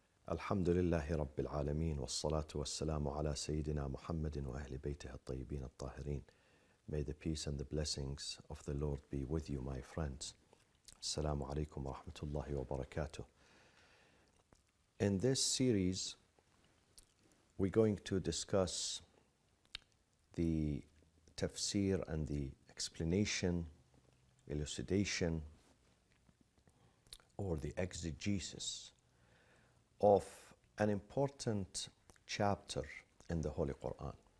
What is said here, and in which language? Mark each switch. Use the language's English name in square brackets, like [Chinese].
[Arabic] الحمد لله رب العالمين، والصلاة والسلام على سيدنا محمد وأهل بيته الطيبين الطاهرين. [English] May the peace and the blessings of the Lord be with you, my friends. [Arabic] السلام عليكم ورحمة الله وبركاته. [English] In this series, we're going to discuss the tafsir and the explanation, elucidation, or the exegesis of an important chapter in the Holy Quran.